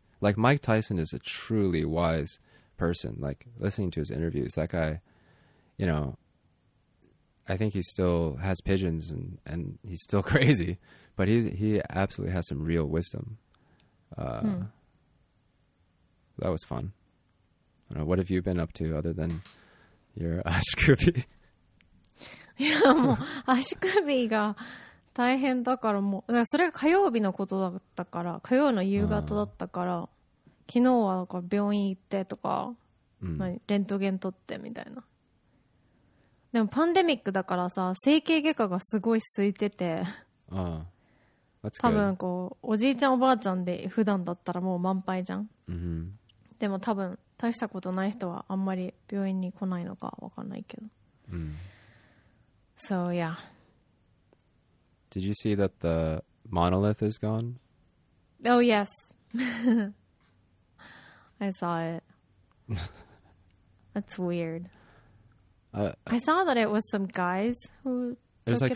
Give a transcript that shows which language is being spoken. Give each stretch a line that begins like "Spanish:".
English: Like, Mike Tyson is a truly wise person. Like, listening to his interviews, that guy, you know, I think he still has pigeons and he's still crazy, but he absolutely has some real wisdom. That was fun. I don't know. What have you been up to other than your ashikubi?
Japanese: いやもう足首が大変だから、もうだからそれが火曜日のことだったから、火曜の夕方だったから、昨日はなんか病院行ってとか、レントゲン撮ってみたいな。でもパンデミックだからさ、整形外科がすごい空いてて、多分こうおじいちゃんおばあちゃんで普段だったらもう満杯じゃん。でも多分大したことない人はあんまり病院に来ないのか分かんないけど。
English: So, yeah. Did you see that the monolith is gone? Oh, yes. I saw it. That's weird. I saw that it was some guys who took it away.